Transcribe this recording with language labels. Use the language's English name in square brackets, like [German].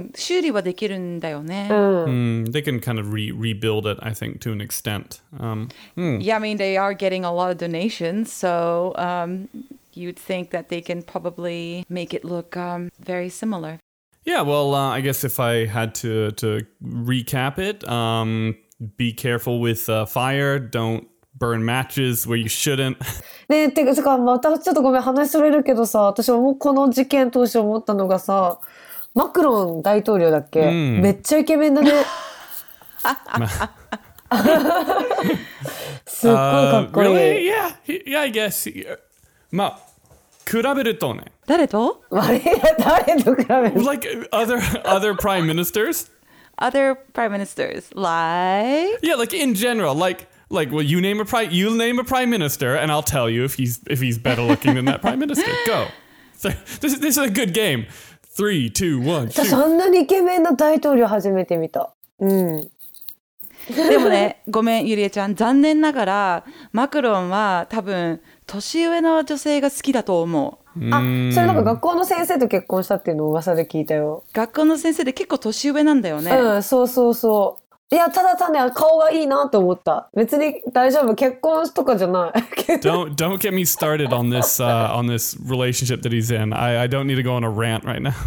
[Japanese] 修理はできるんだよね、 [English] They can kind of rebuild it, I think, to an extent、 Yeah, I mean, they are getting a lot of donations So、you'd think that they can probably make it look、very similar Yeah, well,、I guess if I had to recap it、be careful with、fire, don'tBurn matches where you shouldn't. [Japanese] ねえ、てか、またちょっとごめん、話それるけどさ、私もこの事件通して思ったのがさ、マクロン大統領だっけ、めっちゃイケメンだね。すっごいかっこいい。 [English] Really? Yeah, I guess. [Japanese] まあ、比べるとね。誰と？誰と比べる？ [English] Like other prime ministers? Other prime ministers, like? Yeah, like in general, like. Like, well, you name a prime minister, and I'll tell you if he's better looking than that prime minister. Go. This is a good game. 3, 2, 1. [Japanese] じゃあそんなにイケメンな大統領初めて見た。でもね、ごめんユリエちゃん、残念ながらマクロンは多分年上の女性が好きだと思う。あ、それなんか学校の先生と結婚したっていうのを噂で聞いたよ。学校の先生で結構年上なんだよね。そうそうそう。いや、ただ単に顔がいいなと思った。別に大丈夫、結婚とかじゃない。 [English] don't get me started on this, on this relationship that he's in. I don't need to go on a rant right now.